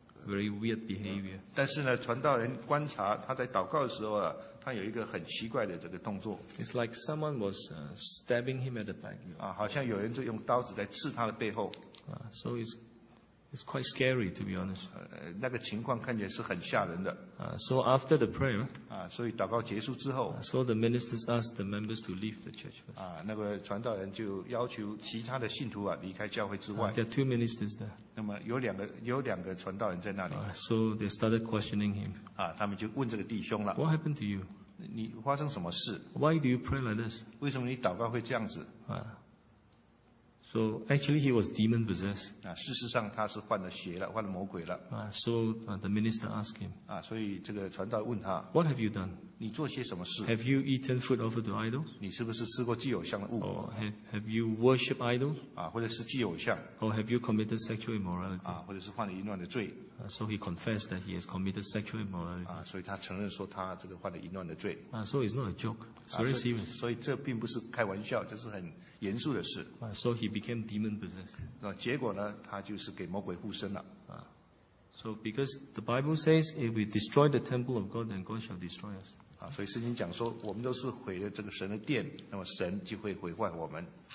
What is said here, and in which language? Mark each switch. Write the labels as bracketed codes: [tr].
[en] It's like someone was stabbing him at the back. So it's quite scary, to be honest. [zh] 那个情况看起来是很吓人的. [en] So after the prayer, [zh] 所以祷告结束之后, [en] so the ministers asked the members to leave the church first. [zh] 那个传道人就要求其他的信徒啊, 离开教会之外, [en] there are two ministers there. [zh] 那么有两个传道人在那里, [en] so they started questioning him. [zh] 他们就问这个弟兄了, [en] what happened to you? [zh] 你发生什么事? [en] Why do you pray like this? [zh] 为什么你祷告会这样子? [en] So actually he was demon possessed. [zh] 事实上他是患了邪了，患了魔鬼了。 [en] The minister asked him. [zh] 所以这个传道问他, [en] what have you done? [zh] 你做些什么事? [en] Have you eaten food offered to idols? [zh] 你是不是吃过祭偶像的物? [en] Or have you worshipped idols? [zh] 或者是祭偶像? [en] Or have you committed sexual immorality? [zh] 或者是患了淫乱的罪? [en] So he confessed that he has committed sexual immorality. [zh] 所以他承认说他这个患了淫乱的罪。 [en] So it's not a joke. It's very serious. [zh] 所以这并不是开玩笑, 这是很严肃的事。 [en] So he became demon possessed. [zh] 结果呢, 他就是给魔鬼附身了。 [en] So because the Bible says, if we destroy the temple of God, then God shall destroy us. [zh] 所以圣经讲说, 我们都是毁了这个神的殿, 那么神就会毁坏我们。